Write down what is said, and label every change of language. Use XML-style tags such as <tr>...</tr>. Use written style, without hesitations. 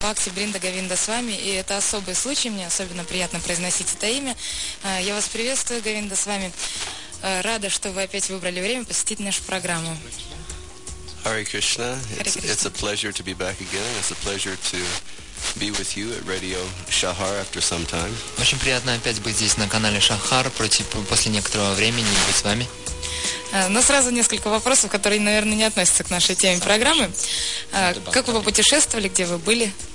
<ru>ВКонтакте Бринда Говинда с вами. И это особый случай, мне особенно приятно произносить это имя. Я вас приветствую, Говинда, с вами. Рада, что вы опять выбрали время посетить нашу программу.</ru> <en>Hare Krishna. It's a pleasure to be back again. It's a pleasure to be with you at Radio Shahar after some time.</en> <ru>Очень приятно опять быть здесь на канале Шахар после некоторого времени и быть с вами. Но сразу несколько вопросов, которые, наверное, не относятся к нашей теме программы. Как вы путешествовали, где вы были?</ru>